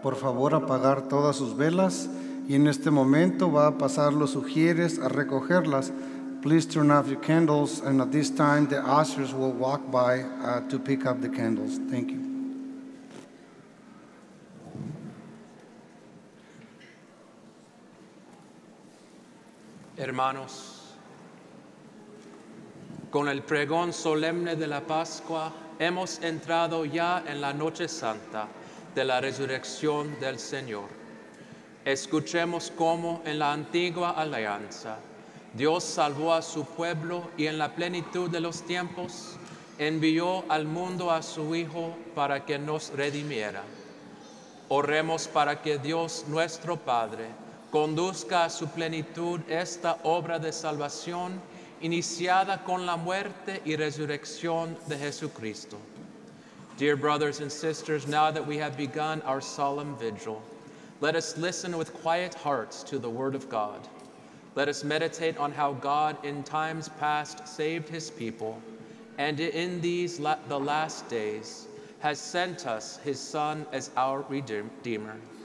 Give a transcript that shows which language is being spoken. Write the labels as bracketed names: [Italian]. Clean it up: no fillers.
[Spanish] Por favor, apagar todas sus velas y en este momento va a pasar los sugieres a recogerlas [English] Please turn off your candles, and at this time, the ushers will walk by to pick up the candles. Thank you. [Spanish] Hermanos, con el pregón solemne de la Pascua, hemos entrado ya en la noche santa de la resurrección del Señor. Escuchemos cómo en la antigua alianza, Dios salvó a su pueblo y en la plenitud de los tiempos, envió al mundo a su Hijo para que nos redimiera. Oremos para que Dios nuestro Padre conduzca a su plenitud esta obra de salvación iniciada con la muerte y resurrección de Jesucristo. [English] Dear brothers and sisters, now that we have begun our solemn vigil, let us listen with quiet hearts to the word of God. Let us meditate on how God in times past saved his people, and in these the last days has sent us his Son as our Redeemer.